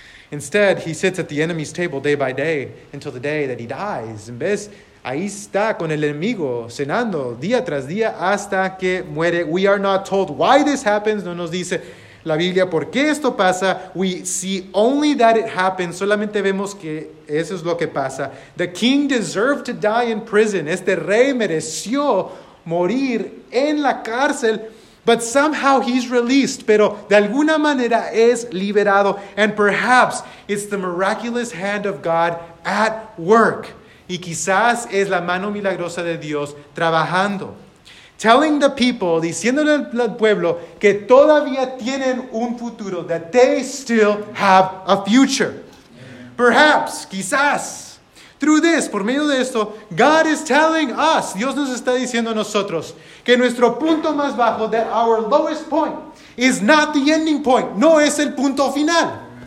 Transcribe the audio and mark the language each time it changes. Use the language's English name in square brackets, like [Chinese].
[English] Instead, he sits at the enemy's table day by day until the day that he dies. [Spanish] En vez, ahí está con el enemigo, cenando día tras día hasta que muere. [English] We are not told why this happens. [Spanish] No nos dice la Biblia por qué esto pasa. [English] We see only that it happens. [Spanish] Solamente vemos que eso es lo que pasa. [English] The king deserved to die in prison. [Spanish] Este rey mereció morir en la cárcel. [English] But somehow he's released, [Spanish] pero de alguna manera es liberado. [English] And perhaps it's the miraculous hand of God at work. [Spanish] Y quizás es la mano milagrosa de Dios trabajando. [English] Telling the people, [Spanish] diciéndole al pueblo, que todavía tienen un futuro, [English] that they still have a future. Perhaps, [Spanish] quizás. [English] Through this, [Spanish] por medio de esto, [English] God is telling us, [Spanish] Dios nos está diciendo a nosotros, que nuestro punto más bajo, [English] that our lowest point, is not the ending point, [Spanish] no es el punto final.